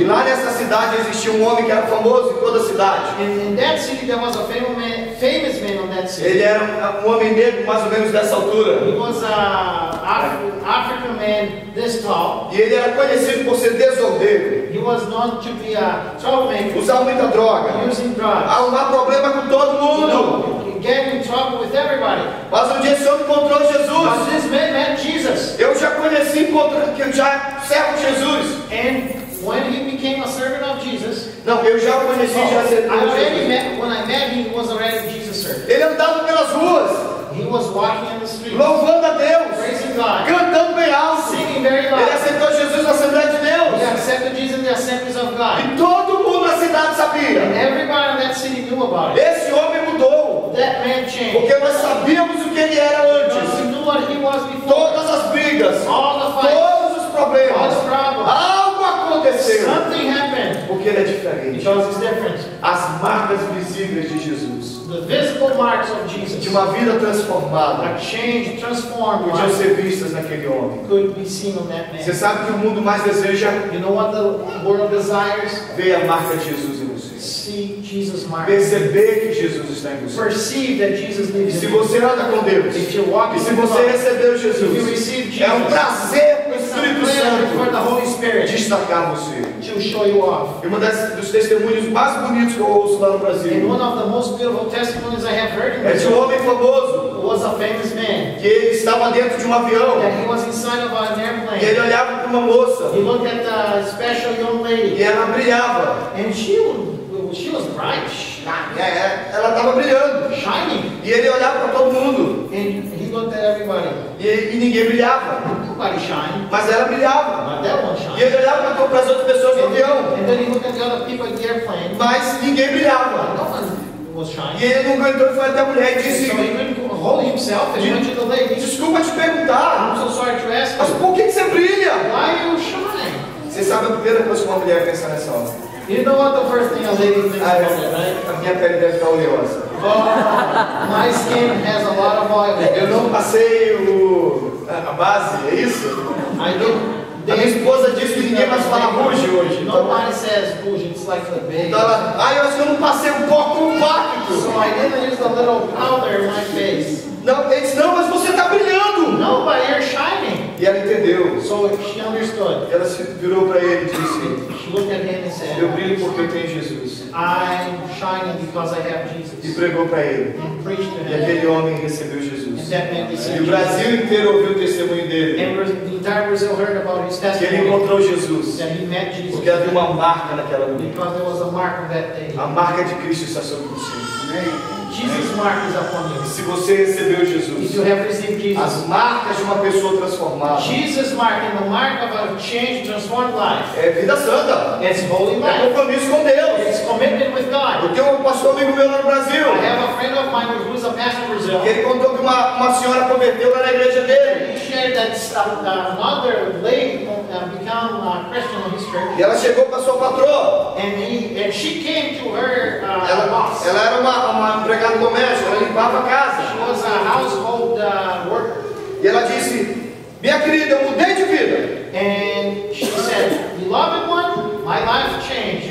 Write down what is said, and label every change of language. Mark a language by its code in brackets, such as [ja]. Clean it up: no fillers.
[pt] E lá nessa cidade existia um homem que era famoso em toda a cidade. [en] And in that city there was a famous man on that city. [pt] Ele era um homem negro mais ou menos dessa altura. [en] He was a African man this tall. [pt] E ele era conhecido por ser desordeiro. [en] He was known to be a troublemaker. [pt] Usava muita droga. [en] Using drugs. [pt] Arrumava problema com todo mundo. [en] Get in trouble with everybody. [pt] Mas um dia esse homem encontrou Jesus. [en] But this man met Jesus. [pt] Eu já conheci, encontrei, que eu já servo Jesus. [en] And When he became a servant of Jesus. [pt] Não, eu já conheci Jesus. [en] When I met him, he was already Jesus' servant. [pt] Ele andava pelas ruas. [en] He was walking in the streets. [pt] Louvando a Deus. [en] Praising God. [pt] Cantando bem alto. [en] Singing very loud. [pt] Ele aceitou Jesus na Assembleia de Deus. [en] He accepted Jesus in the Assemblies of God. [pt] E todo mundo na cidade sabia. [en] And everybody in that city knew about it. [pt] Esse homem mudou. [en] That man changed. [pt] Porque nós sabíamos o que ele era antes. [en] Because we knew what he was before. [pt] Todas as brigas. [en] All the fights. [pt] Todos os problemas. [en] All the problems. Something happened. [pt] Porque ele é diferente. [en] Because it's different. [pt] As marcas visíveis de Jesus. [en] The visible marks of Jesus. [pt] De uma vida transformada. [en] A change transformed. [pt] Podiam ser vistas naquele homem. [en] Could be seen on that man. [pt] Você sabe que o mundo mais deseja? [en] You know what the world desires? [pt] Ver a marca de Jesus em você. [en] See Jesus' mark. [pt] Perceber que Jesus está em você. [en] Perceive that Jesus lives in you. [pt] Se você anda com Deus. [en] If you walk with [pt] God. Se você recebeu Jesus. [en] If you receive Jesus. [pt] É um prazer. Espírito Santo, destacar você. [en] To show you off. [pt] E uma das dos testemunhos mais bonitos que eu ouço lá no Brasil. [en] And one of the most beautiful testimonies I have heard in [pt] Brazil. É de um homem famoso. [en] Was a famous man. [pt] Que ele estava dentro de um avião. [en] And he was inside of an airplane. [pt] E ele olhava para uma moça. [en] He looked at a special young lady. [pt] E ela brilhava. [en] And she was bright. [pt] Yeah, ela estava brilhando. [en] Shining. [pt] E ele olhava para todo mundo. [en] And he looked at everybody. [pt] E ninguém brilhava. [en] Nobody shine. [pt] Mas ela brilhava. [en] Shine. [pt] E ele olhava para as outras pessoas no avião. [en] And then he looked at the other people in the airplane. [pt] Mas ninguém brilhava. [en] Was shining. [pt] E ele não aguentou e foi até a mulher e disse. [en] So he couldn't hold himself and went to the lady. [pt] Desculpa te perguntar. [en] I'm so sorry to ask. [pt] Mas por que você brilha? [en] Why you shine? [pt] Você sabe a primeira coisa que uma mulher pensa nessa hora? [en] You know what the first thing a lady thinks about it, right? [pt] A minha pele deve estar oleosa. [en] My skin has a lot of oil. [pt] Eu não passei a base, é isso? [en] I do. [pt] A minha esposa disse que ninguém mais fala rouge hoje. [en] Nobody says rouge, it's like the base. [pt] Então ela, ah, eu acho que eu não passei um pó compacto. [en] So I didn't use a little powder in my face. [pt] Não, eles não, mas você está brilhando. [en] No, but you're shining. [pt] E ela entendeu. [en] So she understood. [pt] Ela se virou para ele e disse. [en] She looked at him and said. [pt] Eu brilho porque eu tenho Jesus. [en] I'm shining because I have Jesus. [pt] E pregou para ele. [en] And preached to him. [pt] E aquele homem recebeu Jesus. [en] And that man received. [pt] E o Brasil inteiro ouviu o testemunho dele. [en] And the entire Brazil heard about his testimony. [pt] Que ele encontrou Jesus. [en] That he met Jesus. [pt] Porque havia uma marca naquela noite. [en] Because there was a mark on that day. [pt] A marca de Cristo está sobre você. [en] Jesus mark is upon you. [pt] Se você recebeu Jesus, [en] if you have received Jesus, [pt] as marcas de uma pessoa transformada, [en] Jesus mark and the mark of a changed, transformed life, [pt] é vida santa, [en] it's holy life, [pt] é compromisso com Deus, [en] it's commitment with God. [pt] Eu tenho um pastor amigo meu lá no Brasil. [en] I have a friend of mine who is a pastor in Brazil. [pt] Ele contou que uma senhora converteu lá na igreja dele. [en] He shared that another lady became a Christian in his church. [pt] E ela chegou com a sua patroa. [en] And she came to her [pt] ela, [en] boss. [pt] Ela era uma empregada doméstica, ela limpava a casa. [en] She was a household worker. [pt] E ela disse, minha querida, eu mudei de vida. [en] And she said, beloved one, my life changed.